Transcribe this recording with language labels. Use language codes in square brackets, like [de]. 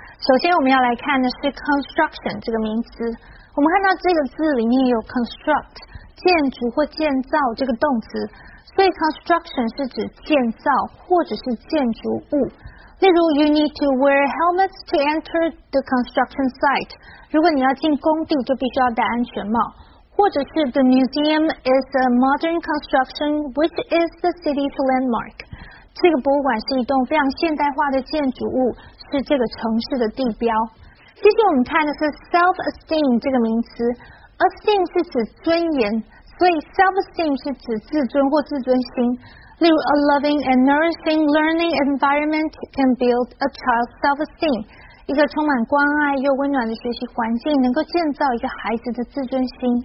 [zh] 首先我们要来看的是 construction 这个名词。我们看到这个字里面有 construct, 建筑或建造这个动词。所以 construction 是指建造或者是建筑物。例如 [en] you need to wear helmets to enter the construction site. [zh] 如果你要进工地就必须要戴安全帽。或者是 [en] the museum is a modern construction which is the city's landmark. [zh] 这个博物馆是一栋非常现代化的建筑物，是这个城市的地标。接着我们看的是 self-esteem 这个名词， esteem 是指尊严，所以 self-esteem 是指自尊或自尊心。 [en] 例如 a loving and nourishing learning environment can build a child's self-esteem， [zh] 一个充满关爱又温暖的学习环境能够建造一个孩子的自尊心。